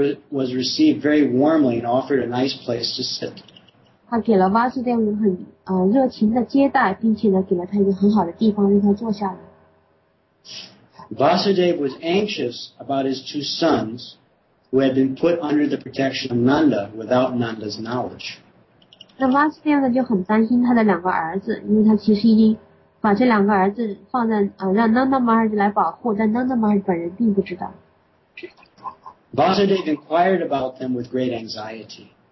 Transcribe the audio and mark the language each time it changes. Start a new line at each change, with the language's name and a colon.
English: was received very warmly and offered a nice place to sit.
Chinese: 他给了Vasudev很热情地接待，并且呢给了他一个很好的地方让他坐下来。
English: Vasudev was anxious about his two sons who had been put under the protection of Nanda without Nanda's knowledge.
Chinese: 那Vasudev就很担心他的两个儿子，因为他其实已经把这两个儿子放在让Nanda Maharaj来保护，但Nanda Maharaj本人并不知道。
English: Vasudev inquired about them with great anxiety.